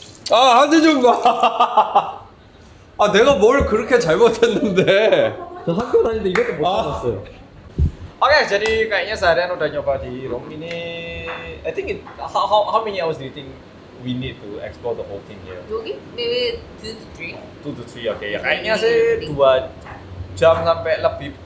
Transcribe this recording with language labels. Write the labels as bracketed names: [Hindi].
[Korean] 아, 하지 좀 봐. 아, 내가 뭘 그렇게 잘못했는데. 저 학교 다닐 때 이것도 못 입었어요. 아. [Indonesian] Oke, okay, jadi kayaknya seharian udah nyoba di room ini. [English] I think it, how many hours do you think we need to explore the whole thing here? Okay, maybe 2 to 3. 2 to 3, oke. [Indonesian] Okay. Ya kayaknya sih 2 jam sampai lebih.